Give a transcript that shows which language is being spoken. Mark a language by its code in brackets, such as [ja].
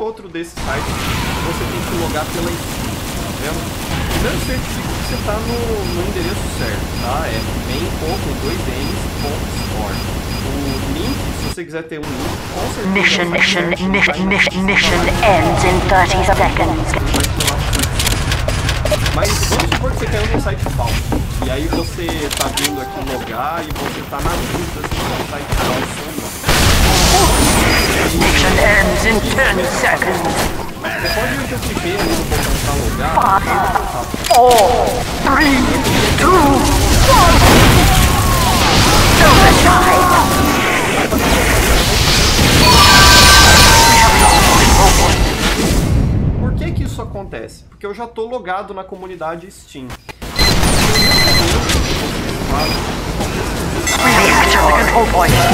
[pt] Desse site, você tem que logar pela Steam, tá vendo? Primeiro certifica que você tá no endereço certo, tá? É main.2ms.store. O link, se você quiser ter um link, com certeza. [en] Mission ends in 30 seconds. [pt] Mas vamos supor que você caiu num site falso. E aí você tá vindo aqui logar e você tá na dúvida se é um site falso ou não. [en] Mission ends in 10 seconds. Five, four, three, two, one. Suicide. [pt] Por que que isso acontece? Porque eu já tô logado na comunidade Steam. [en] We have captured the control point.